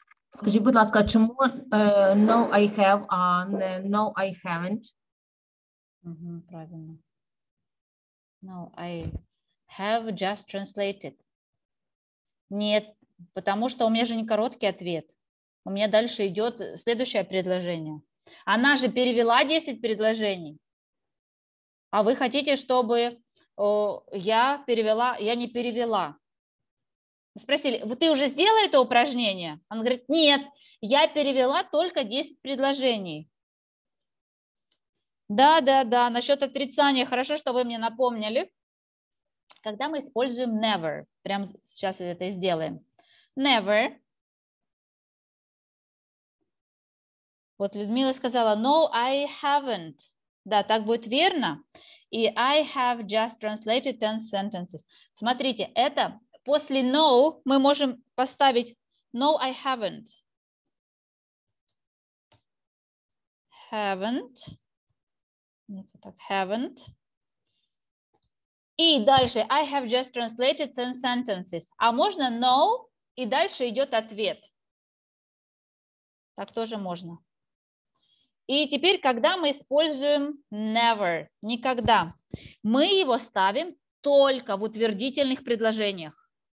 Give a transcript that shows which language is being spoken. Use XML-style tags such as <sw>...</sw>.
<uk>Скажи, будь ласка, чому</uk> <en>no I have, а no I haven't?</en> <ru>Угу, правильно.</ru> <en>No, I have just translated.</en> <ru>Нет, потому что у меня же не короткий ответ. У меня дальше идет следующее предложение. Она же перевела 10 предложений. А вы хотите, чтобы я перевела, я не перевела? Спросили, ты уже сделала это упражнение? Она говорит, нет, я перевела только 10 предложений. Да, да, да, насчет отрицания. Хорошо, что вы мне напомнили. Когда мы используем never, прямо сейчас это и сделаем.</ru> <en>Never.</en> <ru>Вот Людмила сказала,</ru> <en>no, I haven't.</en> <ru>Да, так будет верно.</ru> <en>И I have just translated 10 sentences.</en> <ru>Смотрите, это после no мы можем поставить</ru> <en>no, I haven't. Haven't. Haven't.</en> <ru>И дальше</ru> <en>I have just translated 10 sentences.</en> <ru>А можно no, и дальше идет ответ. Так тоже можно. И теперь, когда мы используем never, никогда, мы его ставим только в утвердительных предложениях.</ru>